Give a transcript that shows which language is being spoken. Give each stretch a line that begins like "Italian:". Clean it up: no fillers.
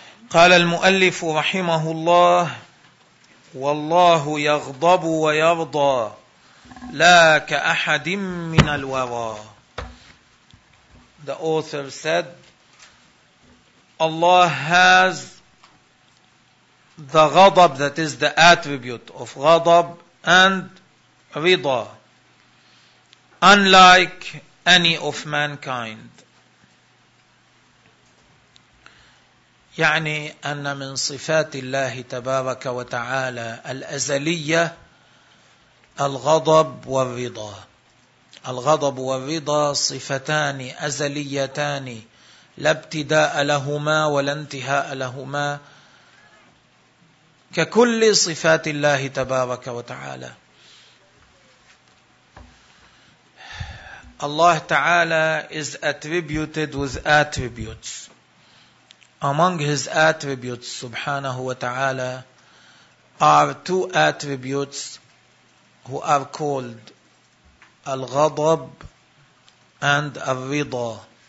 Arabic: قال المؤلف رحمه الله والله يغضب ويرضى لا كأحد من الورى.
English: The author said Allah has the غضب, that is the attribute of غضب and رضا, unlike any of mankind.
Arabic: يعني أن من صفات الله تبارك وتعالى الأزلية الغضب والرضا. الغضب والرضا صفتان أزليتان لا ابتداء لهما ولا انتهاء لهما ككل صفات الله تبارك وتعالى.
English: Allah Ta'ala is attributed with attributes. Among His attributes, Subhanahu wa Ta'ala, are two attributes who are called Al-Ghadab and Al-Rida.